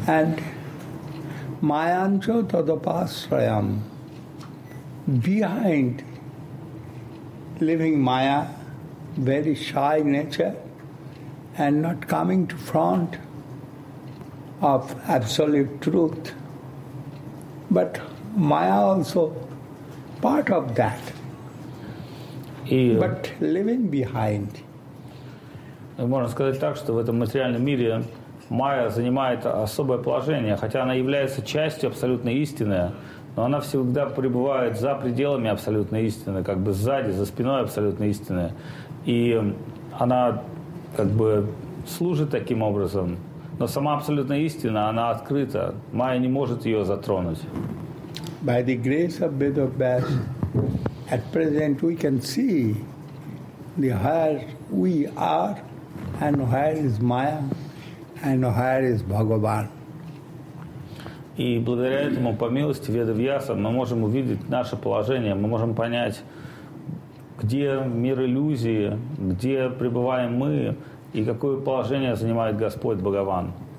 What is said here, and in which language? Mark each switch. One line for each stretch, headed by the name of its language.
English: And
Sanskrit: mayancho tadapasrayam,
English: behind living maya, very shy nature, and not coming to front of absolute truth, but maya also part of that. But living behind.
Russian: Можно сказать так, что в этом материальном мире майя занимает особое положение, хотя она является частью абсолютной истины, но она всегда пребывает за пределами абсолютной истины, как бы сзади, за спиной абсолютной истины. И она как бы служит таким образом, но сама абсолютная истина, она открыта. Майя не может ее затронуть.
English: by the grace of Vedavyas, at present we can see the where we are and where is Maya and where is Bhagavan.
Russian: И благодаря этому, по милости Веда-Вьяса, мы можем увидеть наше положение, мы можем понять, где мир иллюзии, где пребываем мы и какое положение занимает Господь Бхагаван.